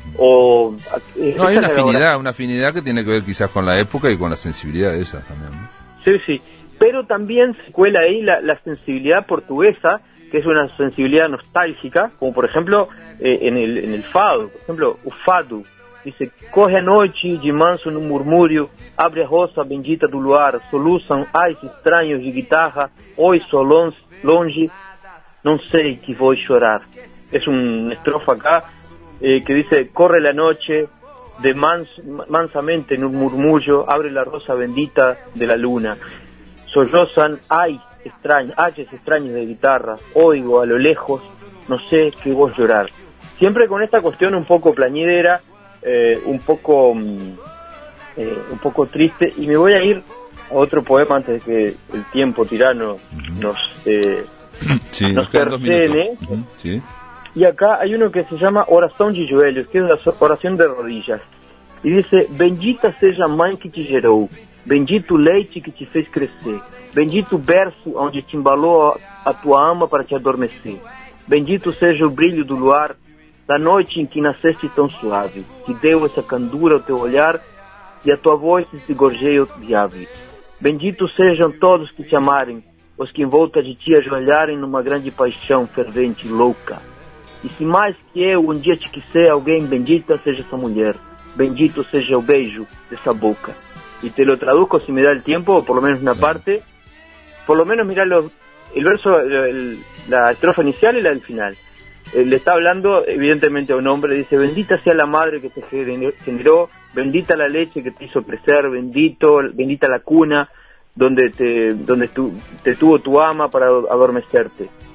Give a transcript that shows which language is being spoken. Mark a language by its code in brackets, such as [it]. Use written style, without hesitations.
[es] Uh-huh. Hay una afinidad que tiene que ver quizás con la época y con la sensibilidad de esa también, ¿no? Sí, sí. Pero también se cuela ahí la sensibilidad portuguesa, que es una sensibilidad nostálgica, como por ejemplo en el fado, por ejemplo, o fado. [pt] Dice, corre a noite de manso num murmúrio, abre a roça bendita do luar, soluçam ais estranhos de guitarra, oi só longe, não sei que vou chorar. [es] Es una estrofa acá que dice, corre la noche de mansamente [pt] num murmúrio, [es] abre la rosa bendita de la luna, sollozan [pt] ais estranhos [es] de guitarra, oigo a lo lejos, no sé que [pt] vou chorar. [es] Siempre con esta cuestión un poco plañidera, un poco triste, y me voy a ir a otro poema antes de que el tiempo tirano nos cercene. Y acá hay uno que se llama Oración de Joelhos, que es la oración de rodillas, y dice: [pt] bendita seja a mãe que te gerou, bendito leite que te fez crescer, bendito berço onde te embalou a tua alma para te adormecer, bendito seja o brilho do luar da noite em que nasceste tão suave, que deu essa candura ao teu olhar e a tua voz esse gorjeio de ave. Bendito sejam todos que te amarem, os que em volta de ti ajoelharem numa grande paixão fervente e louca. E se mais que eu um dia te quiser alguém, bendita seja essa mulher, bendito seja o beijo dessa boca. [es] E te lo traduzco, [pt] se me dá o tempo, ou [es] por lo menos [pt] na parte, [es] por lo menos mirá el verso, la estrofa inicial y la del final. Le está hablando evidentemente a un hombre, dice: bendita sea la madre que te generó, bendita la leche que te hizo crecer, bendita la cuna donde te tuvo tu ama para adormecerte.